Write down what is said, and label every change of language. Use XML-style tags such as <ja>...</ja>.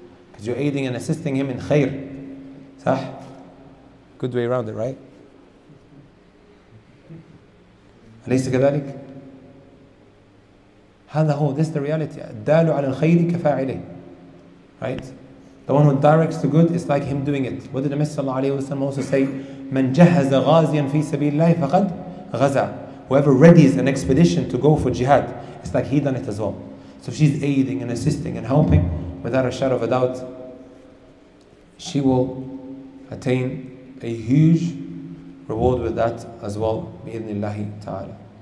<en>Because you're aiding and assisting him in khair. Sah? Good way around it, right?</en> <ar>أليس كذلك؟ هذا هو,</ar> <en>this is the reality.</en> <ar>الدال على الخير كفاعله. Right?</ar> <en>The one who directs the good is like him doing it. What did the Messenger of Allah also say?</en> <ar>من جهز غازيا في سبيل الله فقد غزا.</ar> <en>Whoever readies an expedition to go for jihad, it's like he done it as well. So if she's aiding and assisting and helping, without a shadow of a doubt, she will attain a huge reward with that as well, bi-idhnillahi ta'ala.</en>